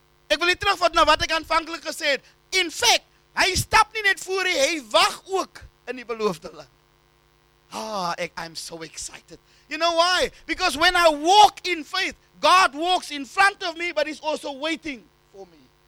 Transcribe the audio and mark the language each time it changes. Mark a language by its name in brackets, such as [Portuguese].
[Afrikaans] Ek wil nie terugvat na wat ek aanvanklik gesê het. In fact, hy stap nie net voor nie, hy wag ook in die beloofde land. [English] Ah, I'm so excited. You know why? Because when I walk in faith, God walks in front of me, but he's also waiting for me.